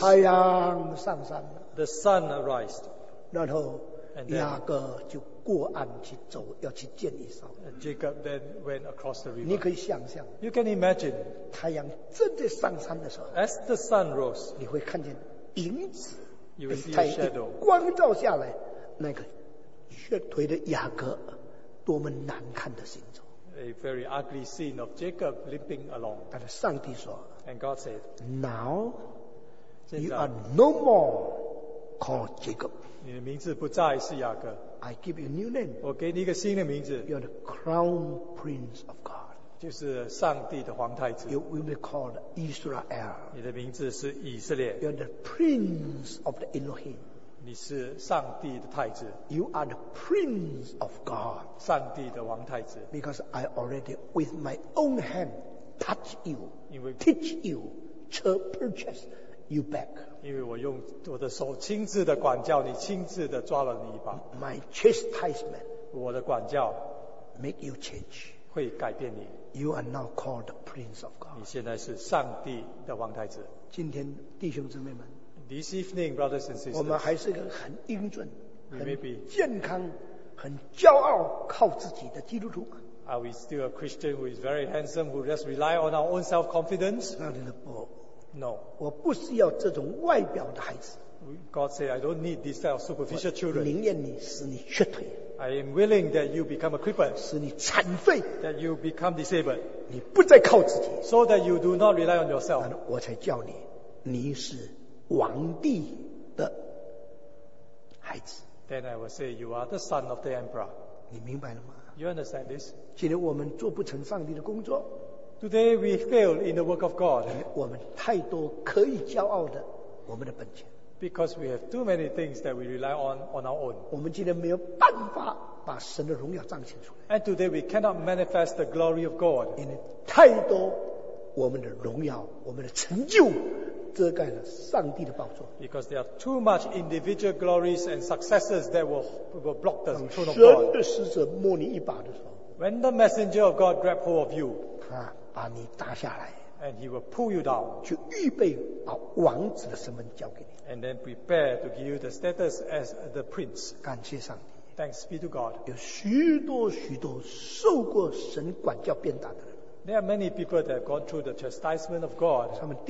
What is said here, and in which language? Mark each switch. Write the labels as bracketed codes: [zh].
[zh] 太阳上山了。 [en] The sun arised. [zh] 然后雅各就过岸去走，要去见以扫。 [en] Jacob then went across the river. [zh] 你可以想象。 [en] You can imagine. [zh] 太阳正在上山的时候。 [en] As the sun rose. [zh] 你会看见影子。 [en] You will see a shadow. [zh] 光照下来，那个瘸腿的雅各多么难看的行走。 [en] A very ugly scene of Jacob limping along. [zh] 但是上帝说。 [en] And God said. Now, you are no more called Jacob. [zh] 你的名字不再是雅各。 [en] I give you a new name. [zh] 我给你一个新的名字。 [en] You are the crown prince of God. [zh] 就是上帝的皇太子。 [en] You will be called Israel. [zh] 你的名字是以色列。 [en] You are the prince of the Elohim. [zh] 你是上帝的太子。 [en] You are the prince of God. [zh] 上帝的皇太子。 [en] Because I already with my own hand touch you, teach you to purchase you back. [zh] 因为我用我的手亲自的管教你，亲自的抓了你一把。 [en] My chastisement, [zh] 我的管教 [en] make you change, [zh] 会改变你。 [en] You are now called the Prince of God. [zh] 你现在是上帝的王太子。今天弟兄姊妹们， [en] This evening, brothers and sisters, [zh] 我们还是个很英俊、很健康、很骄傲、靠自己的基督徒。 [en] Are we still a Christian who is very handsome, who just rely on our own self-confidence? Not in the book. No, [zh] 我不需要这种外表的孩子。 [en] God said, I don't need this type of superficial children. [zh] 宁愿你使你瘸腿。 [en] I am willing that you become a cripple. [zh] 使你残废。 [en] That you become disabled. [zh] 你不再靠自己。 [en] So that you do not rely on yourself. [zh] 我才叫你，你是王帝的孩子。 [en] Then I will say, you are the son of the emperor. [zh] 你明白了吗？ [en] You understand this? [zh] 今天我们做不成上帝的工作。 [en] Today we fail in the work of God. [zh] 我们太多可以骄傲的我们的本钱。 [en] Because we have too many things that we rely on our own. [zh] 我们今天没有办法把神的荣耀彰显出来。 [en] And today we cannot manifest the glory of God. [zh] 因为太多我们的荣耀、我们的成就遮盖了上帝的宝座。 [en] Because there are too much individual glories and successes that will block the throne of God. [zh] 当神的使者摸你一把的时候。 [en] When the messenger of God grabbed hold of you. [zh] 把你打下来 [en] and he will pull you down, [zh] 去预备把王子的身份交给你 [en] and then prepare to give you the status as the prince. [zh] 感谢上帝 [en] Thanks be to God. [zh] 有许多许多受过神管教鞭打的人 [en] There are many people that have gone through the chastisement of God.